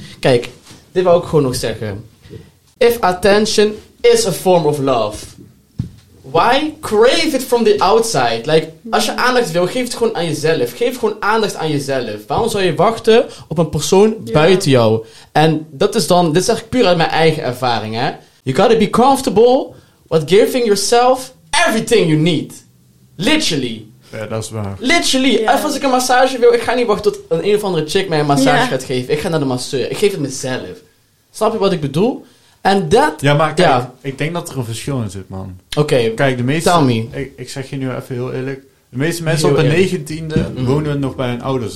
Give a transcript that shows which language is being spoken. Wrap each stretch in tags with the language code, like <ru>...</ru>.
<nl>Kijk, dit wou ik gewoon nog zeggen.</nl> <en>If attention is a form of love, why crave it from the outside?</en> <nl>Like, als je aandacht wil, geef het gewoon aan jezelf. Geef gewoon aandacht aan jezelf. Waarom zou je wachten op een persoon buiten jou? En dat is dan, dit is eigenlijk puur uit mijn eigen ervaring, hè.</nl> <en>You gotta be comfortable with giving yourself everything you need. Literally.</en> <nl>Ja, dat is waar.</nl> <en>Literally. Yeah.</en> <nl>Even als ik een massage wil, ik ga niet wachten tot een of andere chick mij een massage gaat geven. Ik ga naar de masseur. Ik geef het mezelf. Snap je wat ik bedoel? En dat... Ja, maar kijk, ik denk dat er een verschil in zit, man. Oké. Kijk, de meeste...</nl> <en>Tell me.</en> <nl>Ik zeg je nu even heel eerlijk. De meeste mensen op de 19e wonen nog bij hun ouders.</nl>